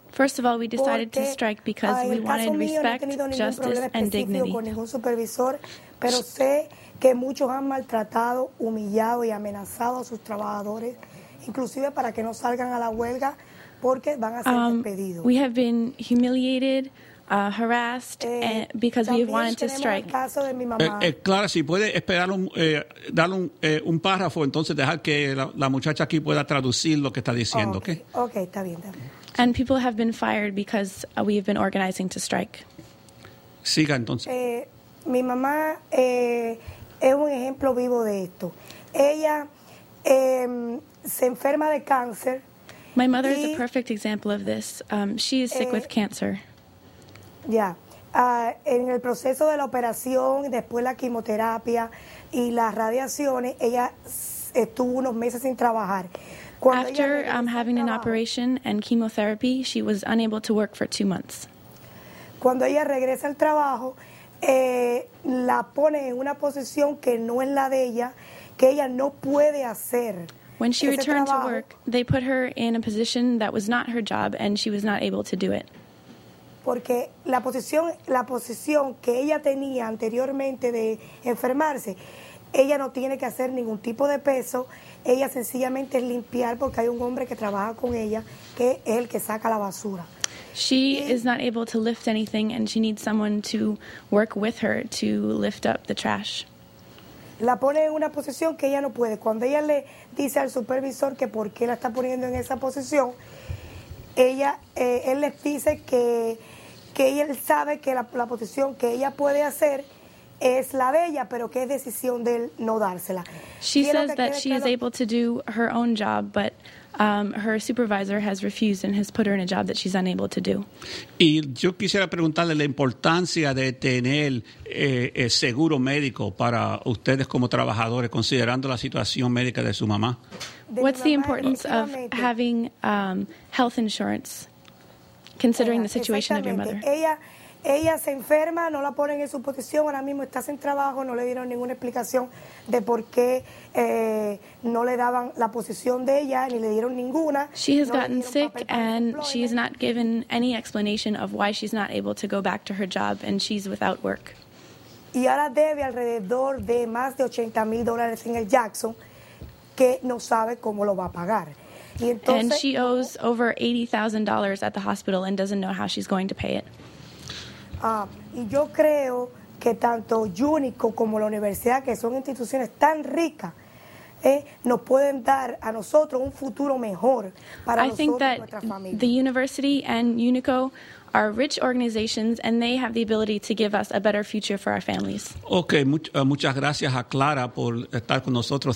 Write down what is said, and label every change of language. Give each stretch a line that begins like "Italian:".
English: First of all, we decided to strike because we wanted respect, justice, and dignity.
Spanish: Con ningún supervisor, pero sé que muchos han maltratado, humillado y amenazado a sus trabajadores, inclusive para que no salgan a la huelga porque van a ser despedidos.
English: We have been humiliated, harassed, because we have wanted to strike.
Spanish: El caso de mi mamá. Clara, si puede esperar un párrafo, entonces dejar que la muchacha aquí pueda traducir lo que está diciendo. Okay, está bien, está bien.
English: And people have been fired because we have been organizing to strike.
Spanish: Siga entonces. Mi mamá es un ejemplo vivo de esto. Ella se enferma de cáncer.
English: My mother is a perfect example of this. She is sick with cancer. Yeah.
Spanish: En el proceso de la operación, después la quimioterapia y las radiaciones, ella estuvo unos meses sin trabajar.
English: After having an operation and chemotherapy, she was unable to work for 2 months.
Spanish: Cuando ella regresa al trabajo, la pone en una posición que no es la de ella, que ella no puede hacer.
English: When she returned to work, they put her in a position that was not her job, and she was not able to do it.
Spanish: Porque la posición que ella tenía anteriormente de enfermarse, ella no tiene que hacer ningún tipo de peso. Ella sencillamente es limpiar porque hay un hombre que trabaja con ella que es el que saca la basura.
English: She is not able to lift anything and she needs someone to work with her to lift up the trash.
Spanish: La pone en una posición que ella no puede. Cuando ella le dice al supervisor que por qué la está poniendo en esa posición, él les dice que él sabe que la posición que ella puede hacer es la de ella, pero que es decisión de él no dársela.
English: She says that she is able to do her own job, but her supervisor has refused and has put her in a job that she's unable to do.
Spanish: Y yo quisiera preguntarle la importancia de tener seguro médico para ustedes como trabajadores, considerando la situación médica de su mamá.
English: What's the importance of having health insurance, considering the situation of your mother?
Spanish: Ella se enferma, no la ponen en su posición, ahora mismo está sin trabajo, no le dieron ninguna explicación de por qué no le daban la posición de ella, ni le dieron ninguna.
English: She has gotten sick and she is not given any explanation of why she's not able to go back to her job and she's without work.
Spanish: Y ahora debe alrededor de más de $80,000 en el Jackson, que no sabe cómo lo va a pagar. Y entonces,
English: and she owes over $80,000 at the hospital and doesn't know how she's going to pay it.
Spanish: Y yo creo que tanto UNICO como la universidad, que son instituciones tan ricas, nos pueden dar a nosotros un futuro mejor para
English: I think that
Spanish: y nuestra familia.
English: The university and UNICO are rich organizations and they have the ability to give us a better future for our families.
Spanish: Okay, muchas gracias a Clara por estar con nosotros.